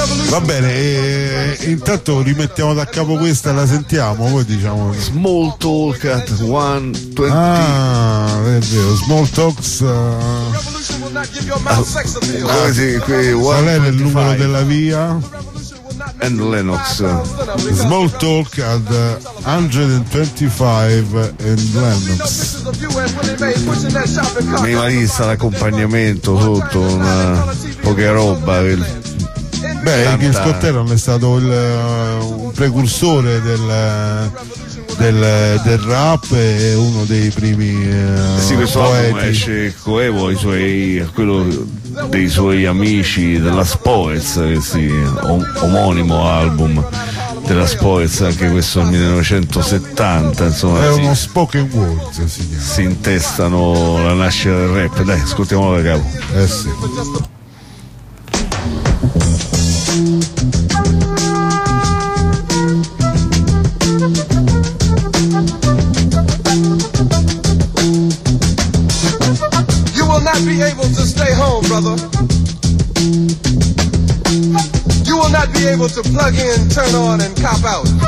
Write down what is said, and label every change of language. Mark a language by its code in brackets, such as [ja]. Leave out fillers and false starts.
[it] Va bene, intanto rimettiamo da capo questa, la sentiamo, poi diciamo. [en] Small Talk at 120. [it] Ah, è vero, Small Talks. Qual è il numero della via? [en] And Lennox. Small Talk at 125 and Lennox. [it] Minimalista l'accompagnamento sotto, una poca roba. Beh, Gil Scott-Heron è stato un precursore del rap e uno dei primi sì, questo poeti. Esce coevo quello dei suoi amici della Spoets, sì, omonimo album della Spoets, anche questo 1970, insomma. È uno spoken word, si intestano la nascita del rap. Dai, ascoltiamolo da capo. Eh sì. [en] You will not be able to stay home, brother. You will not be able to plug in, turn on, and cop out.